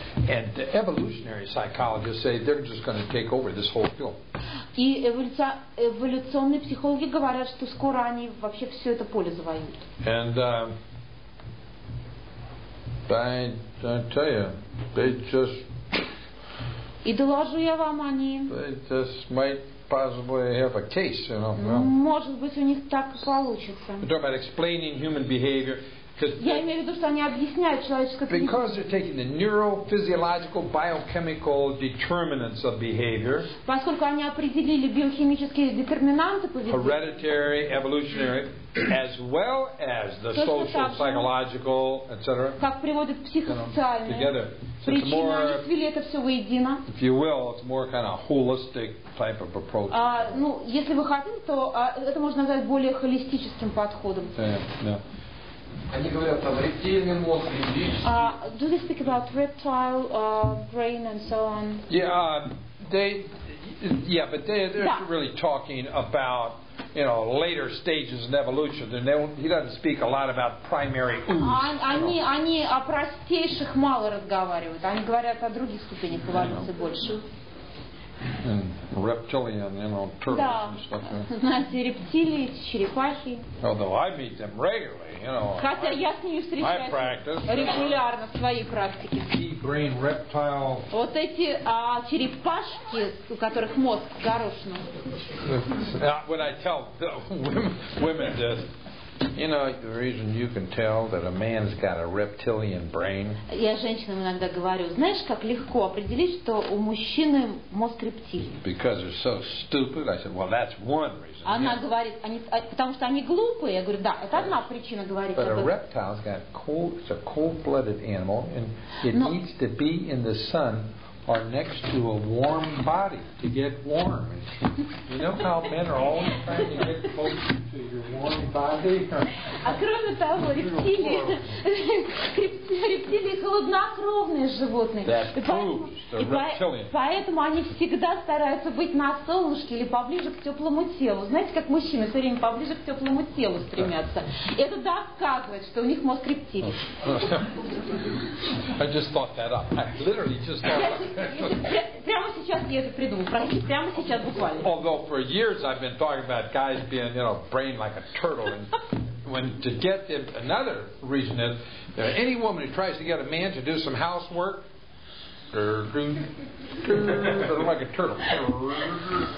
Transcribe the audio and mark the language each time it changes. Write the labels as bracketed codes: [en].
[en] And the evolutionary psychologists say they're just going to take over this whole field. [ru] И эволюционные психологи говорят, что скоро они вообще все это поле завоюют. [en] And I tell you, they just. [ru] И доложу я вам, они. [en] They just might possibly have a case, you know. [ru] Может быть, у них так и получится. [en] We're talking about explaining human behavior. [ru] Я имею в виду, что они объясняют человеческое поведение. [en] Because they're taking the neurophysiological, biochemical determinants of behavior. [ru] Поскольку они определили биохимические детерминанты поведения. [en] Hereditary, evolutionary, as well as the social, psychological, etc. [ru] Как приводят психосоциальные. [en] Together. If you will, it's more kind of holistic type of approach. [ru] Ну, если вы хотите, то это можно назвать более холистическим подходом. Они говорят о рептильном мозге. [en] Do they speak about reptile brain and so on? Yeah, but they're really talking about, you know, later stages in evolution. He doesn't speak a lot about primary ooze. [ru] Они о простейших мало разговаривают. Они говорят о других ступенях эволюции больше. [en] And reptilian, you know, turtles and stuff. [ru] Знаете, рептилии, черепахи. [en] Although I meet them regularly, you know. [ru] Хотя я с ними встречаюсь регулярно в своей практике. [en] Deep-brain reptile. [ru] Вот эти черепашки, у которых мозг горошиной. [en] When I tell women this. You know, the reason you can tell that a man's got a reptilian brain. [ru] Я женщинам иногда говорю, знаешь, как легко определить, что у мужчины мозг рептилий. [en] Because they're so stupid. I said, well, that's one reason. [ru] Она говорит, потому что они глупые. Я говорю, да, это одна причина, говорит. [en] But a reptile's got it's a cold-blooded animal, and it needs to be in the sun. Are next to a warm body to get warm. You know how men are always trying to get close to your warm body? [ru] А кроме того, рептилии холоднокровные животные. [en] That proves the reptilian. [ru] Поэтому они всегда стараются быть на солнышке или поближе к теплому телу. Знаете, как мужчины все время поближе к теплому телу стремятся. Это доказывает, что у них мозг рептилий. [en] I just thought that up. I literally just thought that up. [ru] Прямо сейчас я это придумал. Простите, прямо сейчас буквально. [en] Although for years I've been talking about guys being, you know, brain like a turtle, and when to get them, another reason is any woman who tries to get a man to do some housework, like a turtle.